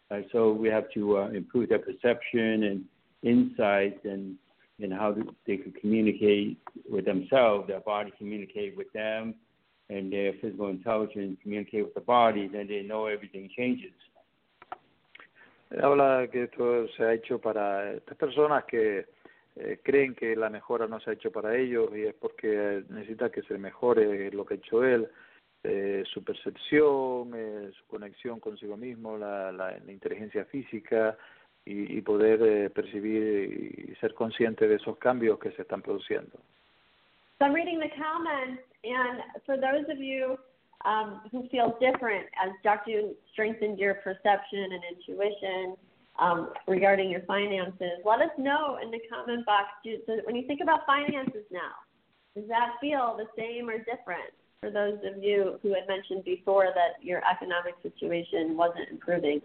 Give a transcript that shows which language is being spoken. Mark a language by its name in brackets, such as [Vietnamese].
[English] So we have to improve their perception and insight and how they can communicate with themselves, their body communicate with them, and their physical intelligence communicate with the body, then they know everything changes. [Spanish] Habla que esto se ha hecho para estas personas que creen que la mejora no se ha hecho para ellos, y es porque necesita que se mejore lo que ha hecho él, su percepción, su conexión consigo mismo, la inteligencia física, y poder percibir y ser consciente de esos cambios que se están produciendo. [English] So I'm reading the comments, and for those of you who feel different as Dr. Yuen strengthened your perception and intuition regarding your finances, let us know in the comment box. When you think about finances now, does that feel the same or different for those of you who had mentioned before that your economic situation wasn't improving?